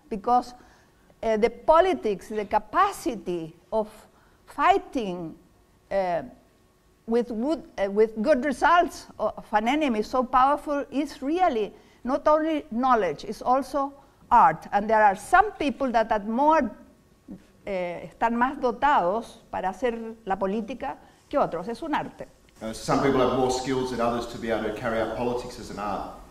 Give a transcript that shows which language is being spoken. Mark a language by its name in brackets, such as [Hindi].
[English] Because the politics, the capacity of fighting with good results of an enemy so powerful is really not only knowledge, it's also art. And there are some people that are more [Spanish] están más dotados para hacer la política que otros. Es un arte. [English] Some people have more skills than others to be able to carry out politics as an art.